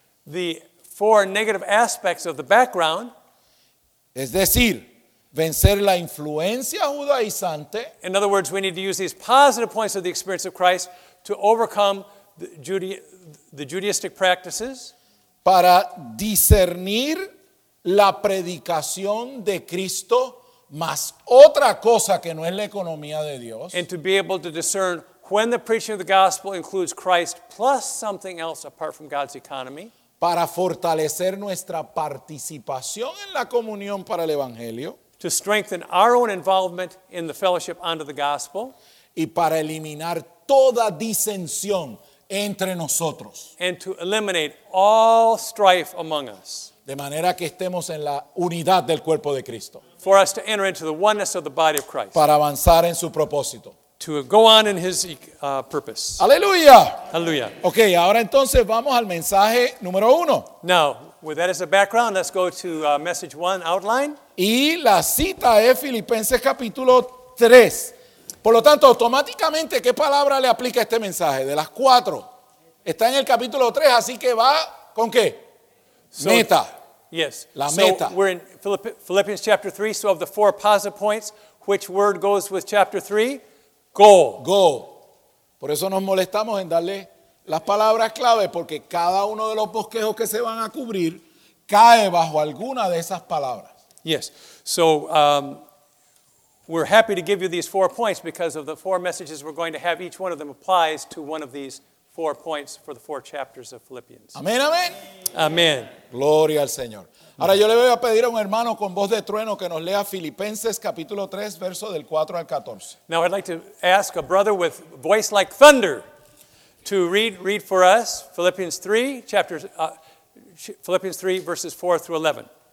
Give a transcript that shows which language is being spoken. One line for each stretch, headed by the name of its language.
English: The four negative aspects of the background.
Spanish: Es decir, vencer la influencia judaizante.
English: In other words, we need to use these positive points of the experience of Christ to overcome the Judaistic practices.
Spanish: Para discernir la predicación de Cristo más otra cosa que no es la economía de Dios.
English: And to be able to discern when the preaching of the gospel includes Christ plus something else apart from God's economy.
Spanish: Para fortalecer nuestra participación en la comunión para el evangelio.
English: To strengthen our own involvement in the fellowship under the gospel.
Spanish: Y para eliminar toda disensión entre nosotros.
English: And to eliminate all strife among us.
Spanish: De manera que estemos en la unidad del cuerpo de Cristo.
English: For us to enter into the oneness of the body of Christ.
Spanish: Para avanzar en su propósito.
English: To go on in his purpose.
Spanish: Aleluya. Aleluya. Okay, ahora entonces vamos al mensaje número uno.
English: Now, with that as a background, let's go to message one outline.
Spanish: Y la cita es Filipenses capítulo 3. Por lo tanto, automáticamente, ¿qué palabra le aplica a este mensaje? De las cuatro. Está en el capítulo 3, así que va con qué?
English: So,
Spanish: meta.
English: Yes.
Spanish: La
English: so
Spanish: meta.
English: We're in Philippians chapter 3, so of the four positive points, which word goes with chapter 3? Go.
Spanish: Por eso nos molestamos en darle las palabras clave, porque cada uno de los bosquejos que se van a cubrir cae bajo alguna de esas palabras.
English: Yes. So, we're happy to give you these four points because of the four messages we're going to have. Each one of them applies to one of these four points for the four chapters of Philippians.
Spanish: Amén, amén. Amén. Gloria al Señor. Ahora yo le voy a pedir a un hermano con voz de trueno que nos lea Filipenses capítulo 3, verso del 4 al 14.
English: Now I'd like to ask a brother with voice like thunder to read for us Philippians 3, verses 4 through 11.